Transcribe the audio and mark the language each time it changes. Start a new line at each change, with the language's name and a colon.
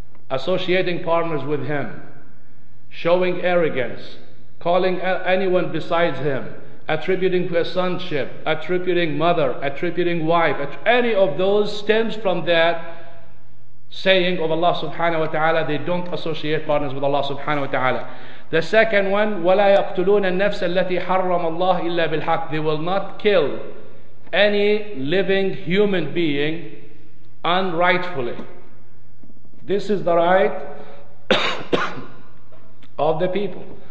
English: Associating partners with Him, showing arrogance, calling anyone besides Him, attributing a sonship, attributing mother, attributing wife, any of those stems from that saying of Allah subhanahu wa ta'ala. They don't associate partners with Allah subhanahu wa ta'ala. The second one,
Arabic: وَلَا يَقْتُلُونَ النَّفْسَ الَّتِي حَرَّمَ اللَّهِ إِلَّا بِالْحَقِّ.
English: They will not kill any living human being unrightfully. This is the right of the people.